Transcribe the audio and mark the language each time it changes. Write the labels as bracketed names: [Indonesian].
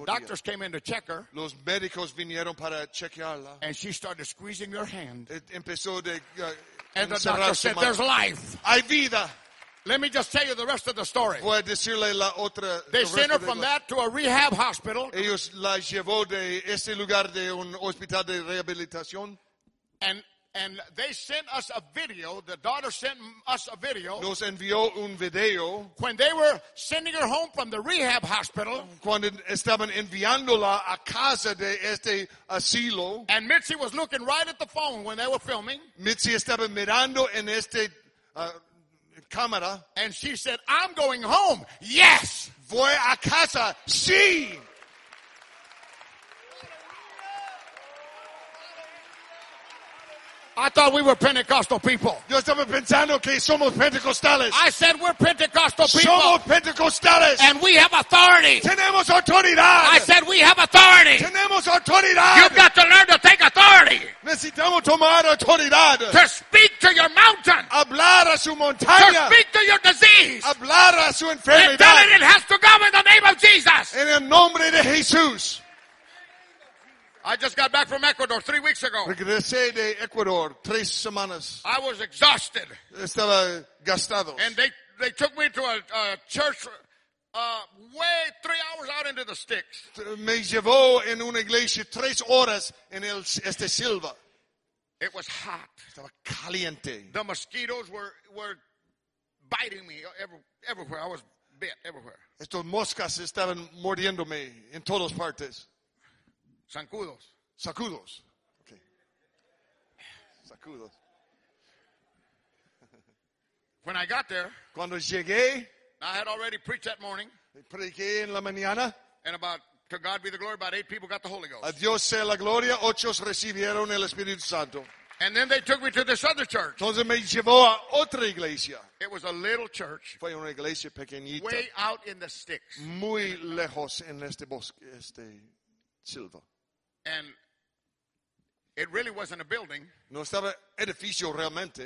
[English] the doctors [Spanish] día, [English] came in to check her. [Spanish] Los médicos vinieron para chequearla. [English] And she started squeezing her hand. [Spanish] Empezó de, [English] and the doctor said, there's life. [Spanish] Hay vida. [English] Let me just tell you the rest of the story. [Spanish] Voy a decirle la otra, [English] they sent her from that to a rehab hospital. [Spanish] Ellos la llevó de ese lugar de un hospital de rehabilitación. [English] And And they sent us a video. The daughter sent us a video. [Spanish] Nos envió un video. [English] When they were sending her home from the rehab hospital. [Spanish] Cuando estaban enviándola a casa de este asilo. [English] And Mitzi was looking right at the phone when they were filming. [Spanish] Mitzi estaba mirando en este cámara. [English] And she said, "I'm going home." Yes. [Spanish] Voy a casa. Sí. [English] I thought we were Pentecostal people. [Spanish] Yo estaba pensando que somos Pentecostales. [English] I said we're Pentecostal people. [Spanish] Somos Pentecostales. [English] And we have authority. [Spanish] Tenemos autoridad. [English] I said we have authority. [Spanish] Tenemos autoridad. [English] You've got to learn to take authority. [Spanish] Necesitamos tomar autoridad. [English] To speak to your mountain. [Spanish] Hablar a su montaña. [English] To speak to your disease. [Spanish] Hablar a su enfermedad. [English] And tell it has to go in the name of Jesus. [Spanish] En el nombre de Jesús. [English] I just got back from Ecuador 3 weeks ago. [Spanish] Regresé de Ecuador 3 semanas. [English] I was exhausted. [Spanish] Estaba gastado. [English] And they took me to a church way 3 hours out into the sticks. [Spanish] Me llevó en una iglesia 3 horas en el este Silva. [English] It was hot. [Spanish] Estaba caliente. [English] The mosquitoes were biting me everywhere. I was bit everywhere. [Spanish] Estos moscas estaban mordiéndome en todas partes. Sacudos. Sacudos. Okay. Sacudos. [English] When I got there, [Spanish] cuando llegué, [English] I had already preached that morning. [Spanish] Prediqué en la mañana. [English] And about, to God be the glory, about 8 people got the Holy Ghost. [Spanish] A Dios sea la gloria, 8 recibieron el Espíritu Santo. [English] And then they took me to this other church. [Spanish] Entonces me llevó a otra iglesia. [English] It was a little church. [Spanish] Fue una iglesia pequeñita. [English] Way out in the sticks. [Spanish] Muy lejos en este bosque, este Silva. [English] And it really wasn't a building. [Spanish] No estaba edificio realmente.